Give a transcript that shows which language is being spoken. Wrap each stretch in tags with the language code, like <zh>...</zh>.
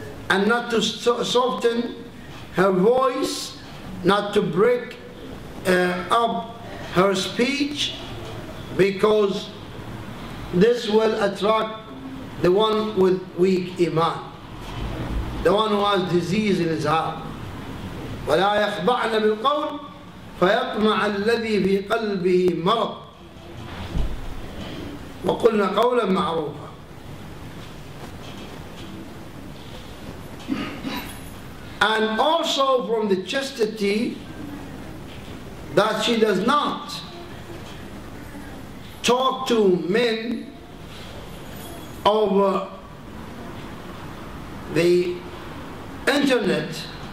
<en>and not to soften her voice, not to break up her speech, because this will attract the one with weak iman, the one who has disease in his heart.</en> <ar>ولا يخضعن بالقول فيطمع الذي في قلبه مرض وقلنا قولا معروفا.</ar> <en>And also from the chastity that she does not talk to men over the internet</en>